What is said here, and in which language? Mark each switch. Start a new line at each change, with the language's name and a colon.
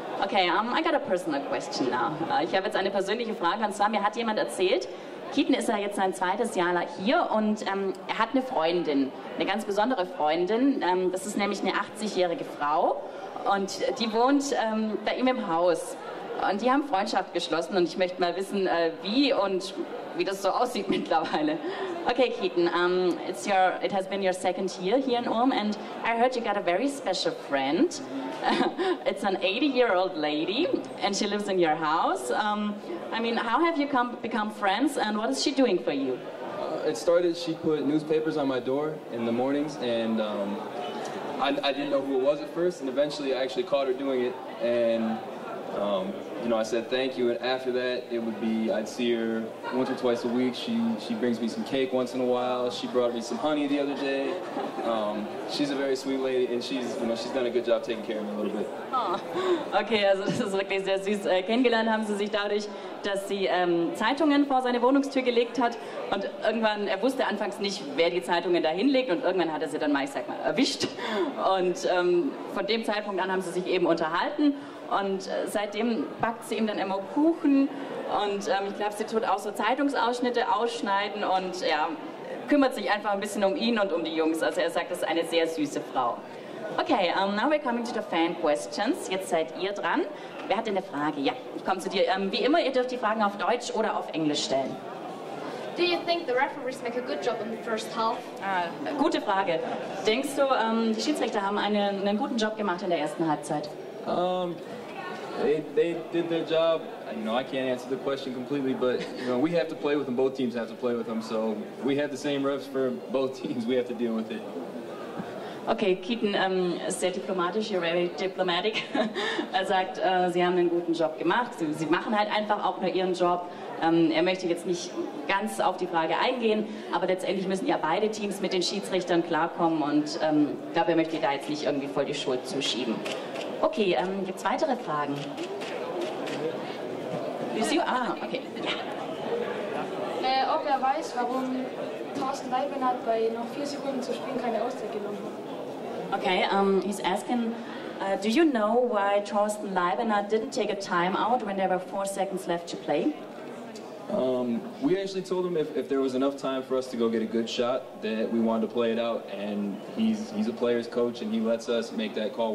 English: Okay, I got a personal question now.
German: Ich habe jetzt eine persönliche Frage und zwar, mir hat jemand erzählt, Keaton ist ja jetzt sein zweites Jahr hier und er hat eine Freundin, eine ganz besondere Freundin. Das ist nämlich eine 80-jährige Frau und die wohnt bei ihm im Haus. Und die haben Freundschaft geschlossen und ich möchte mal wissen, wie und wie das so aussieht mittlerweile.
English: Okay, Keaton, it has been your second year here in Ulm and I heard you got a very special friend. It's an 80-year-old lady and she lives in your house. I mean, how have you become friends and what is she doing for you? It started, she put newspapers on my door in the mornings and I didn't know who it was at first and eventually I actually caught her doing it and you know, I said thank you, and after that, it would be, I'd see her once or twice a week. She brings me some cake once in a while. She brought me some honey the other day. She's a very sweet lady, and she's, you know, she's done a good job taking care of me a little bit.
German: Oh, okay, also das ist wirklich sehr süß. Kennengelernt haben sie sich dadurch, dass sie Zeitungen vor seine Wohnungstür gelegt hat. Und irgendwann, er wusste anfangs nicht, wer die Zeitungen da hinlegt. Und irgendwann hat er sie dann mal, ich sag mal, erwischt. Und von dem Zeitpunkt an haben sie sich eben unterhalten. Und seitdem backt sie ihm dann immer Kuchen und ich glaube, sie tut auch so Zeitungsausschnitte ausschneiden und ja, kümmert sich einfach ein bisschen um ihn und um die Jungs. Also er sagt, das ist eine sehr süße Frau.
English: Okay, now we're coming to the fan questions.
German: Jetzt seid ihr dran. Wer hat denn eine Frage? Ja, ich komme zu dir. Wie immer, ihr dürft die Fragen auf Deutsch oder auf Englisch stellen.
English: Do you think the referees make a good job in the first half?
German: Gute Frage. Denkst du, die Schiedsrichter haben einen guten Job gemacht in der ersten Halbzeit?
English: They did their job. You know, I can't answer the question completely, but you know, we have to play with them. Both teams have to play with them. So we have the same refs for both teams. We have to deal with it.
German: Okay, Keaton ist sehr diplomatisch,
English: you're very diplomatic.
German: Er sagt, Sie haben einen guten Job gemacht, Sie machen halt einfach auch nur Ihren Job. Er möchte jetzt nicht ganz auf die Frage eingehen, aber letztendlich müssen ja beide Teams mit den Schiedsrichtern klarkommen und ich glaube, er möchte da jetzt nicht irgendwie voll die Schuld zuschieben. Okay, gibt es weitere Fragen? Ob er weiß, warum Thorsten Leiben hat bei noch 4 Sekunden zu spielen keine Auszeit genommen.
English: Okay, he's asking, do you know why Thorsten Leiben didn't take a timeout when there were 4 seconds left to play? We actually told him if there was enough time for us to go get a good shot, that we wanted to play it out, and he's a player's coach, and he lets us make that call.